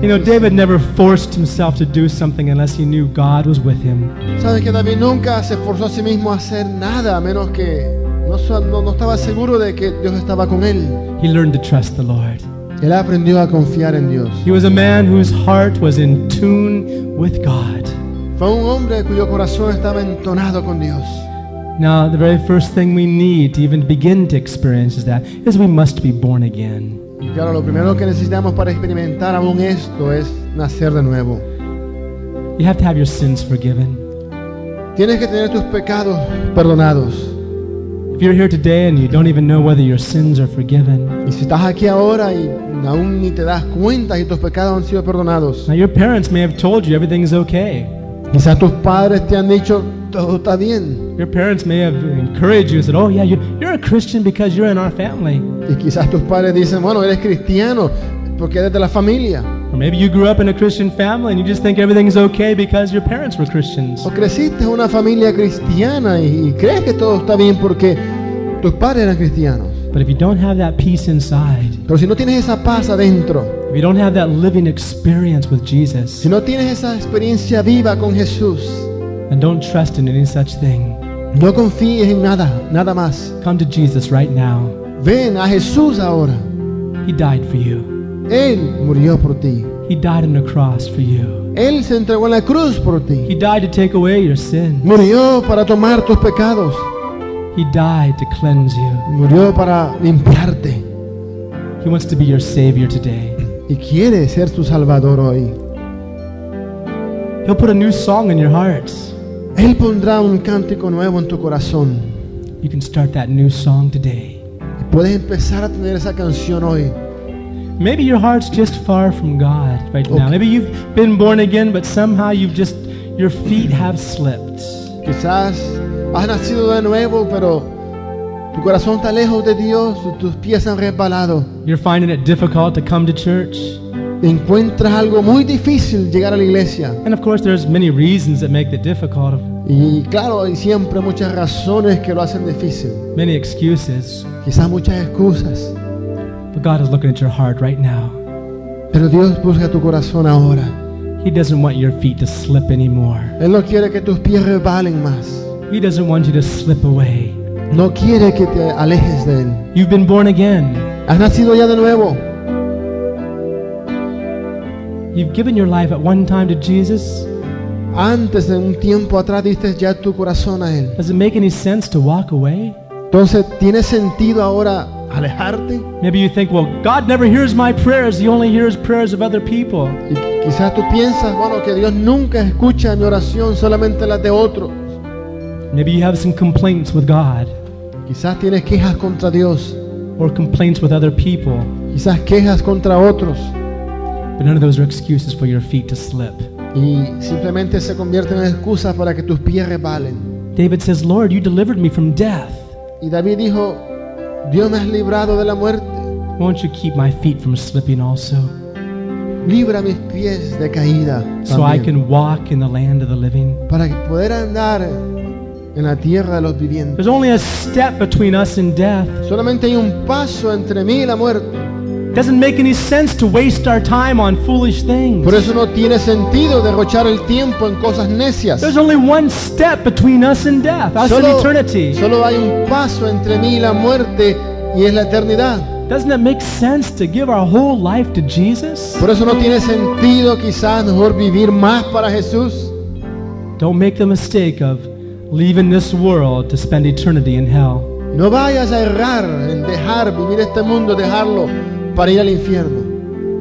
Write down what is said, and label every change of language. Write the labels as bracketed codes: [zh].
[en] You know, David never forced himself to do something unless he knew God was with him. [es] Sabes que David nunca se forzó a sí mismo a hacer nada a menos que no estaba seguro de que Dios estaba con él. [en] He learned to trust the Lord. [es] Él aprendió a confiar en Dios. [en] He was a man whose heart was in tune with God. [es] Fue un hombre cuyo corazón estaba entonado con Dios. [en] Now, the very first thing we need to even begin to experience is that is we must be born again. [es] Y claro, lo primero que necesitamos para experimentar aún esto es nacer de nuevo. [en] You have to have your sins forgiven. [es] Tienes que tener tus pecados perdonados. [en] If you're here today and you don't even know whether your sins are forgiven, [es] y si estás aquí ahora y aún ni te das cuenta si tus pecados han sido perdonados. [en] Now your parents may have told you everything is okay. [es] Quizás tus padres te han dicho todo está bien. [en] Your parents may have encouraged you and said, "Oh yeah, you're a Christian because you're in our family." [es] Y quizás tus padres dicen, bueno, eres cristiano porque eres de la familia. [en] Or maybe you grew up in a Christian family and you just think everything is okay because your parents were Christians. [es] O creciste en una familia cristiana y crees que todo está bien porque tus padres eran cristianos. [en] But if you don't have that peace inside, [es] pero si no tienes esa paz adentro, [en] if you don't have that living experience with Jesus, [es] si no tienes esa experiencia viva con Jesús, [en] then don't trust in any such thing. [es] No confíes en nada, nada más. [en] Come to Jesus right now. [es] Ven a Jesús ahora. [en] He died for you. [es] Él murió por ti. [en] He He died on the cross for you. [es] Él se entregó en la cruz por ti. [en] He died to take away your sins. [es] Murió para tomar tus pecados. [en] He died to cleanse you. [es] Murió para limpiarte. [en] He wants to be your savior today. [es] Y quiere ser tu salvador hoy. [en] He'll put a new song in your hearts. [es] Él pondrá un cántico nuevo en tu corazón. [en] You can start that new song today. [es] Y puedes empezar a tener esa canción hoy. [en] Maybe your heart's just far from God right now. Maybe you've been born again, but somehow you've just, your feet have slipped. [es] Quizás has nacido de nuevo, pero tu corazón está lejos de Dios, tus pies han resbalado. [en] You're finding it difficult to come to church. [es] Encuentras algo muy difícil llegar a la iglesia. [en] And of course, there's many reasons that make it difficult. [es] Y claro, hay siempre muchas razones que lo hacen difícil. [en] Many excuses. [es] Quizás muchas excusas. [en] But God is looking at your heart right now. [es] Pero Dios busca tu corazón ahora. [en] He doesn't want your feet to slip anymore. [es] Él no quiere que tus pies resbalen más. [en] He doesn't want you to slip away. [es] No quiere que te alejes de él. [en] You've been born again. [es] Has nacido ya de nuevo. [en] You've given your life at one time to Jesus. [es] Antes de un tiempo atrás diste ya tu corazón a él. [en] Does it make any sense to walk away? [es] Entonces, ¿tiene sentido ahora alejarte? [en] Maybe you think, well, God never hears my prayers. He only hears prayers of other people. [es] Y quizás tú piensas, bueno, que Dios nunca escucha mi oración, solamente las de otros. [en] Maybe you have some complaints with God. [es] Quizás tienes quejas contra Dios. [en] Or complaints with other people. [es] Quizás quejas contra otros. [en] But none of those are excuses for your feet to slip. [es] Y simplemente se convierten en excusas para que tus pies resbalen. [en] David says, Lord, you delivered me from death. [es] Y David dijo, Dios me has librado de la muerte. [en] Won't you keep my feet from slipping also? [es] Libra mis pies de caída. [en] So I can walk in the land of the living. [es] Para poder andar en la tierra de los vivientes. [en] There's only a step between us and death. [es] Solamente hay un paso entre mí y la muerte. [en] It doesn't make any sense to waste our time on foolish things. [es] Por eso no tiene sentido derrochar el tiempo en cosas necias. [en] There's only one step between us and death, us and eternity. [es] Solo hay un paso entre mí y la muerte y es la eternidad. [en] Doesn't it make sense to give our whole life to Jesus? [es] Por eso no tiene sentido quizás mejor vivir más para Jesús. [en] Don't make the mistake of leaving this world to spend eternity in hell. [es] No vayas a errar en dejar vivir este mundo, dejarlo para ir al infierno.